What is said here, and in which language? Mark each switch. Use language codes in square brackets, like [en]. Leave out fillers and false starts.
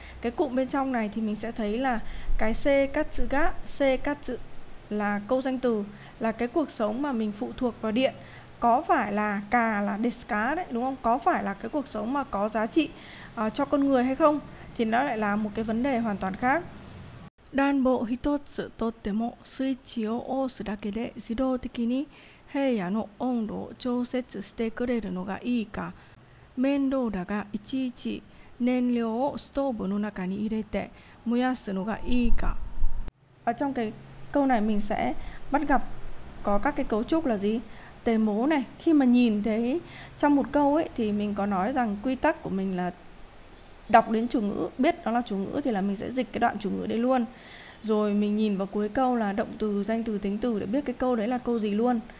[vi] Cái cụm bên trong này thì mình sẽ thấy là cái seikatsu ga, seikatsu là câu danh từ, là cái cuộc sống mà mình phụ thuộc vào điện. Có phải là ka là desu ka đấy, đúng không? Có phải là cái cuộc sống mà có giá trị cho con người hay không? Thì nó lại là một cái vấn đề hoàn toàn khác. [ja] 暖房一つとってもスイッチを押すだけで自動的に部屋の温度を調節してくれるのがいいか、面倒だがいちいち燃料をストーブの中に入れて燃やすのがいいか。 [vi] Ở trong cái câu này mình sẽ bắt gặp có các cái cấu trúc là gì? Tề mố này, khi mà nhìn thấy trong một câu ấy thì mình có nói rằng quy tắc của mình là đọc đến chủ ngữ, biết đó là chủ ngữ thì là mình sẽ dịch cái đoạn chủ ngữ đấy luôn. Rồi mình nhìn vào cuối câu là động từ, danh từ, tính từ để biết cái câu đấy là câu gì luôn.